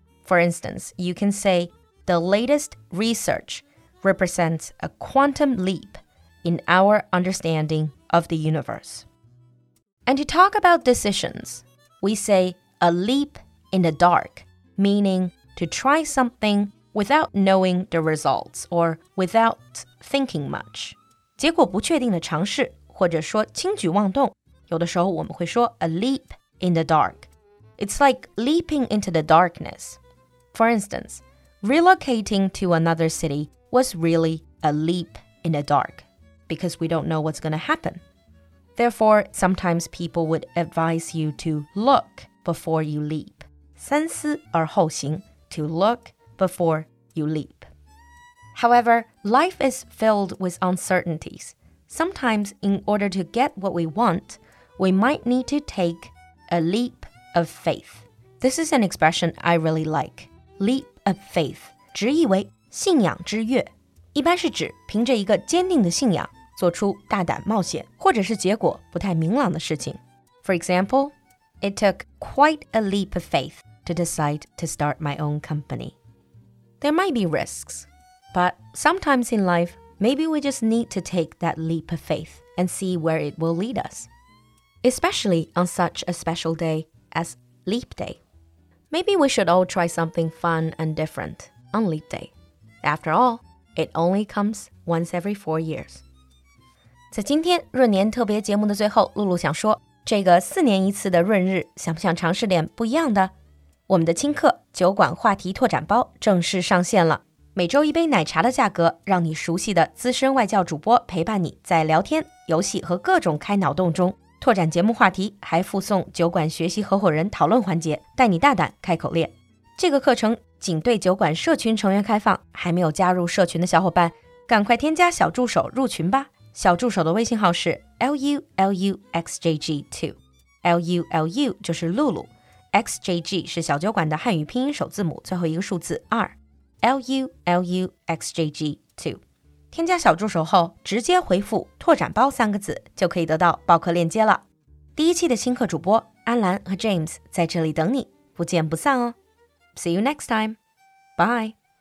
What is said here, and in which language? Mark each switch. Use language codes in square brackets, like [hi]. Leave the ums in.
[en] For instance, you can say the latest research represents a quantum leap in our understanding of the universe. And to talk about decisions, we say a leap in the dark, meaning to try something without knowing the results or without thinking much. [zh] 结果不确定的尝试，或者说轻举妄动，有的时候我们会说 [en] a leap in the dark. It's like leaping into the darkness. For instance, relocating to another city was really a leap in the dark because we don't know what's going to happen. Therefore, sometimes people would advise you to look before you leap. [zh] 三思而后行, [en] to look before you leap. However, life is filled with uncertainties. Sometimes, in order to get what we want, we might need to take a leap of faith. This is an expression I really like leap of faith， [zh] 直译为信仰之跃，一般是指凭着一个坚定的信仰做出大胆冒险或者是结果不太明朗的事情。 [en] For example, it took quite a leap of faith to decide to start my own company. There might be risks, but sometimes in life, maybe we just need to take that leap of faith and see where it will lead us. Especially on such a special day as Leap Day. Maybe we should all try something fun and different on Leap Day. After all, it only comes once every four years. [zh] 在今天闰年特别节目的最后，露露想说，这个四年一次的闰日，想不想尝试点不一样的？我们的轻课酒馆话题拓展包正式上线了，每周一杯奶茶的价格，让你熟悉的资深外教主播陪伴你在聊天、游戏和各种开脑洞中拓展节目话题，还附送酒馆学习合伙人讨论环节，带你大胆开口练。这个课程仅对酒馆社群成员开放，还没有加入社群的小伙伴，赶快添加小助手入群吧。小助手的微信号是 l u l u x j g two l u l u 就是露露，x j g 是小酒馆的汉语拼音首字母，最后一个数字二 l u l u x j g two。添加小助手后，直接回复“拓展包”三个字，就可以得到报课链接了。第一期的新课主播安澜和 James 在这里等你，不见不散哦。 [en] See you next time. Bye.